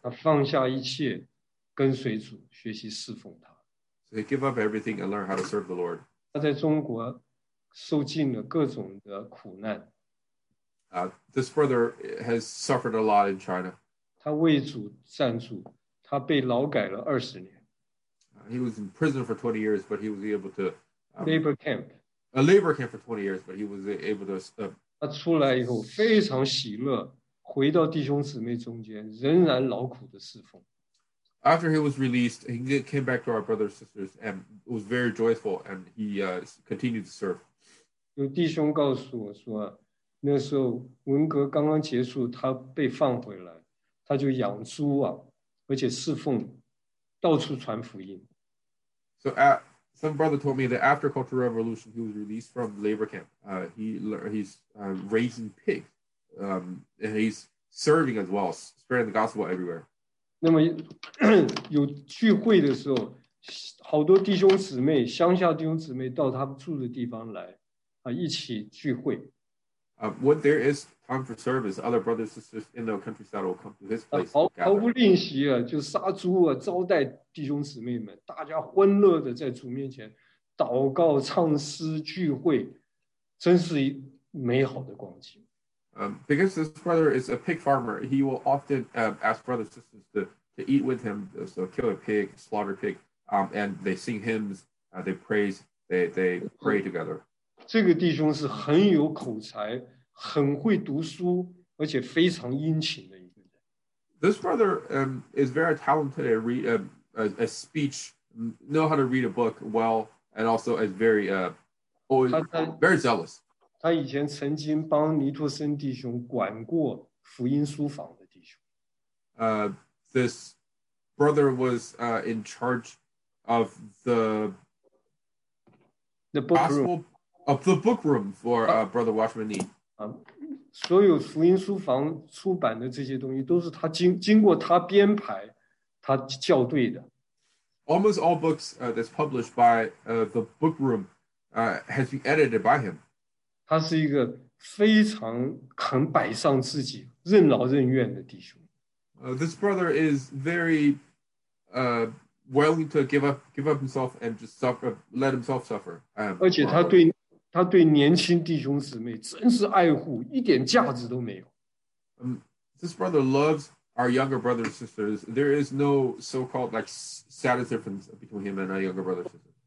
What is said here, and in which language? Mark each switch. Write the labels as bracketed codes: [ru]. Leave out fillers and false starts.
[zh] 他放下一切,跟随主,学习侍奉他。 [en] So he gave up everything and learned how to serve the Lord. [zh] 他在中国受尽了各种的苦难。 [en] This brother has suffered a lot in China. [zh] 他为主站住, 他被劳改了20年。 [en] He was in prison for 20 years, but he was able to labor camp. a labor camp for 20 years, but he was able to. [zh] 他出来以后非常喜乐，回到弟兄姊妹中间，仍然劳苦的侍奉。 [en] After he was released, he came back to our brothers and sisters and was very joyful, and he continued to serve. [zh] 有弟兄告诉我说，那时候文革刚刚结束，他被放回来，他就养猪啊，而且侍奉，到处传福音。 [en] So at some brother told me that after Cultural Revolution, he was released from labor camp. He's raising pigs, and he's serving as well, spreading the gospel everywhere. [zh] 那么有聚会的时候，好多弟兄姊妹，乡下弟兄姊妹到他住的地方来，一起聚会。 [en] When there is time for service, other brothers and sisters in the countryside will come to his place. [zh] 毫不吝惜啊，就杀猪啊，招待弟兄姊妹们，大家欢乐的在主面前祷告、唱诗、聚会，真是美好的光景。 [en] Because this brother is a pig farmer, he will often ask brothers and sisters to eat with him, so kill a pig, slaughter a pig, and they sing hymns, they praise, they pray together. [zh] 这个弟兄是很有口才，很会读书，而且非常殷勤的一个人。 [en] This brother is very talented at read a speech, know how to read a book well, and also is very very zealous. [zh] 他以前曾经帮尼托森弟兄管过福音书房的弟兄。 [en] This brother was in charge of the book room. Of the book room for Brother Washman Nee. [zh] 所有福音书房出版的这些东西都是他经过他编排，他校对的。 [en] Almost all books that's published by the book room has been edited by him. [zh] 他是一个非常肯摆上自己、任劳任怨的弟兄。 [en] This brother is very willing to give up himself and just suffer, let himself suffer. [zh] 而且他对他对年轻弟兄姊妹真是爱护，一点架子都没有。 [en] This brother loves our younger brothers and sisters. There is no so-called like status difference between him and our younger brothers and sisters.